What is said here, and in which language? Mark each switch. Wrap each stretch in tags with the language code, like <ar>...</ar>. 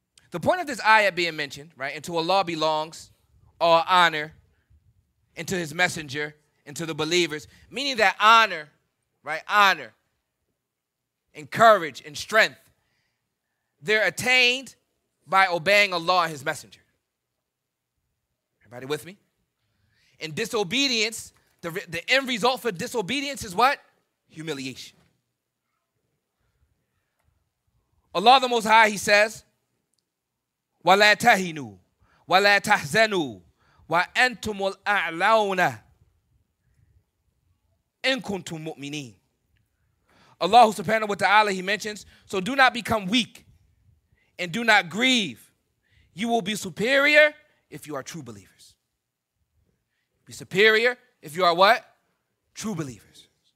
<en>The point of this ayah being mentioned, right, and to Allah belongs all honor, and to his messenger, and to the believers, meaning that honor, right, honor, and courage, and strength, they're attained by obeying Allah and his messenger. Everybody with me? In disobedience, the end result for disobedience is what? Humiliation.</en> <ar>Allah the Most High, he says, وَلَا تَهِنُوا وَلَا تَحْزَنُوا وَأَنْتُمُ الْأَعْلَوْنَ إِن كُنْتُمْ مُؤْمِنِينَ.</ar> <en>Allah subhanahu wa ta'ala, he mentions, so do not become weak and do not grieve. You will be superior if you are true believers. Be superior if you are what? True believers.</en>